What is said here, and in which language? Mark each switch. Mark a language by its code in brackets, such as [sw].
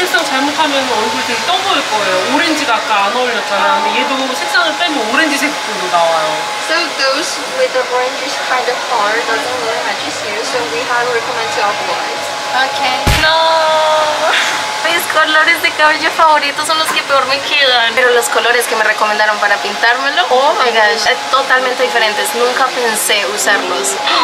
[ko] 잘못하면 얼굴 되게 떠 보일 거예요. 오렌지가 아까 안 어울렸잖아요. 근데 얘도 색상을 빼면 오렌지색으로 나와요. [en] So those with the orangish kind of color doesn't really match you, so we highly recommend to avoid. Okay. No. [es] Mis colores de cabello favoritos son los que peor me quedan. Pero los colores que me recomendaron para pintármelo, [en] oh my gosh, [es] totalmente diferentes. Nunca pensé usarlos.